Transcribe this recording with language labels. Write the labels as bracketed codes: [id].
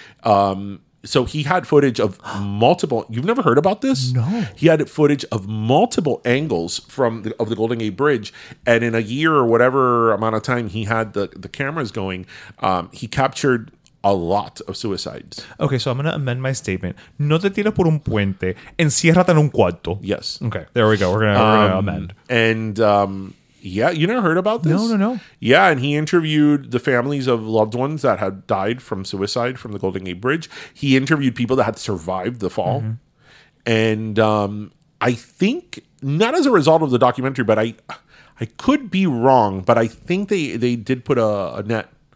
[en] So he had footage of multiple. You've never heard about this? No. He had footage of multiple angles of the Golden Gate Bridge. And in a year or whatever amount of time he had the cameras going, he captured a lot of suicides. Okay, so I'm going to amend my statement. [es] No te tira por un puente, enciérrate en un cuarto. [en] Yes. Okay, there we go. We're going to amend. And yeah, you never heard about this? No. Yeah, and he interviewed the families of loved ones that had died from suicide from the Golden Gate Bridge. He interviewed people that had survived the fall. Mm-hmm. And I think, not as a result of the documentary, but I could be wrong, but I think they did put a net.